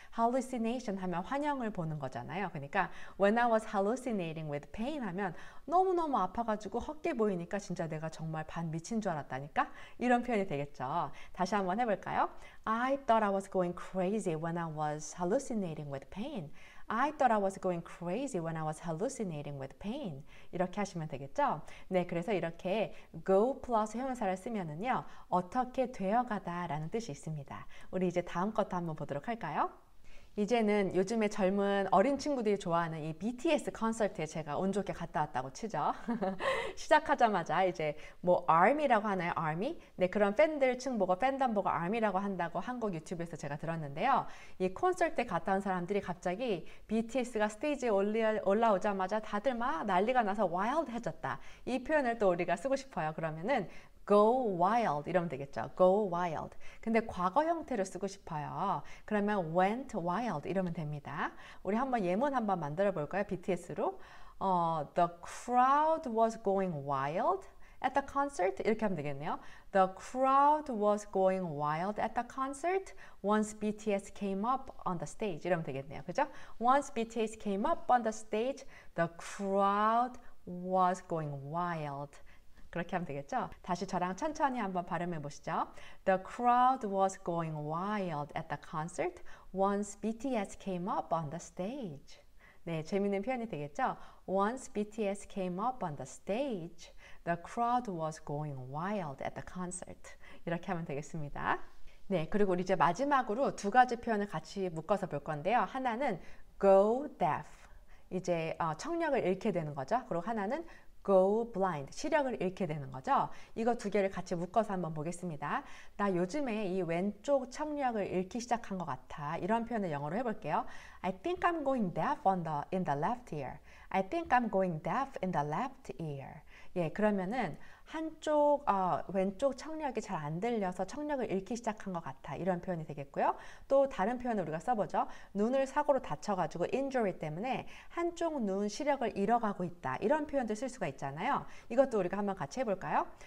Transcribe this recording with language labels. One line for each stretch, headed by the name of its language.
Korean: hallucination 하면 환영을 보는 거잖아요. 그러니까
English: when I was hallucinating with pain
Korean: 하면 너무너무 아파가지고 헛게 보이니까 진짜 내가 정말 반 미친 줄 알았다니까? 이런 표현이 되겠죠. 다시 한번 해볼까요?
English: I thought I was going crazy when I was hallucinating with pain. I thought I was going crazy when I was hallucinating with pain.
Korean: 이렇게 하시면 되겠죠? 네, 그래서 이렇게 go plus 형용사를 쓰면은요, 어떻게 되어가다 라는 뜻이 있습니다. 우리 이제 다음 것도 한번 보도록 할까요? 이제는 요즘에 젊은 어린 친구들이 좋아하는 이 BTS 콘서트에 제가 운 좋게 갔다 왔다고 치죠. 시작하자마자 이제 뭐 ARMY라고 하나요? ARMY? 네, 그런 팬들 층 보고 팬덤 보고 ARMY라고 한다고 한국 유튜브에서 제가 들었는데요. 이 콘서트에 갔다 온 사람들이 갑자기 BTS가 스테이지에 올라오자마자 다들 막 난리가 나서 와일드 해졌다. 이 표현을 또 우리가 쓰고 싶어요. 그러면은
English: Go wild
Korean: 이러면 되겠죠.
English: Go wild.
Korean: 근데 과거 형태로 쓰고 싶어요. 그러면
English: went wild
Korean: 이러면 됩니다. 우리 한번 예문 한번 만들어 볼까요? BTS로.
English: The crowd was going wild at the concert.
Korean: 이렇게 하면 되겠네요.
English: The crowd was going wild at the concert once BTS came up on the stage.
Korean: 이러면 되겠네요. 그죠?
English: Once BTS came up on the stage, the crowd was going wild.
Korean: 그렇게 하면 되겠죠? 다시 저랑 천천히 한번 발음해 보시죠.
English: The crowd was going wild at the concert once BTS came up on the stage.
Korean: 네, 재밌는 표현이 되겠죠?
English: Once BTS came up on the stage, the crowd was going wild at the concert.
Korean: 이렇게 하면 되겠습니다. 네, 그리고 우리 이제 마지막으로 두 가지 표현을 같이 묶어서 볼 건데요. 하나는
English: go deaf.
Korean: 이제 청력을 잃게 되는 거죠. 그리고 하나는
English: go blind,
Korean: 시력을 잃게 되는 거죠. 이거 두 개를 같이 묶어서 한번 보겠습니다. 나 요즘에 이 왼쪽 청력을 잃기 시작한 것 같아. 이런 표현을 영어로 해볼게요.
English: I think I'm going deaf in the left ear. I think I'm going deaf in the left ear.
Korean: 예, 그러면은 한쪽 왼쪽 청력이 잘안 들려서 청력을 잃기 시작한 것 같아. 이런 표현이 되겠고요. 또 다른 표현을 우리가 써보죠. 눈을 사고로 다쳐가지고 injury 때문에 한쪽 눈 시력을 잃어가고 있다. 이런 표현도 쓸 수가 있잖아요. 이것도 우리가 한번 같이 해볼까요?